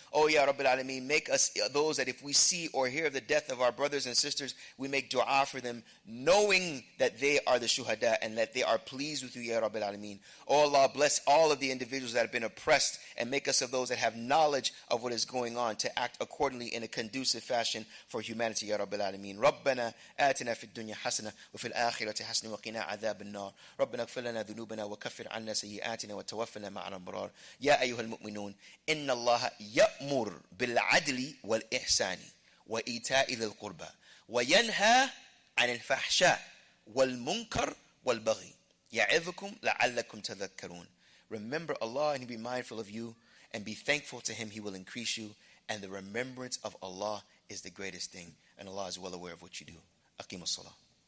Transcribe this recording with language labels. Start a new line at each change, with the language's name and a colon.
English: Oh, Ya Rabbil Alameen, make us those that if we see or hear of the death of our brothers and sisters, we make dua for them, knowing that they are the shuhada and that they are pleased with you, Ya Rabbil Alameen. Oh, Allah, bless all of the individuals that have been oppressed and make us of those that have knowledge of what is going on to act accordingly in a conducive fashion for humanity, Ya Rabbil Alameen.
Arabic: Rabbana, atina fi dunya hasana wa fil akhirati hasana wa qina عذاب النار ربنا اغفر لنا ذنوبنا وكفر عنا سيئاتنا وتوفنا مع الأبرار يا أيها المؤمنون إن الله يأمر بالعدل والإحسان وإيتاء ذي القربى وينهى عن الفحشاء والمنكر والبغي يعظكم لعلكم تذكرون.
English: Remember Allah and be mindful of you and be thankful to him, he will increase you, and the remembrance of Allah is the greatest thing, and Allah is well aware of what you do.
Arabic: أقيم الصلاة.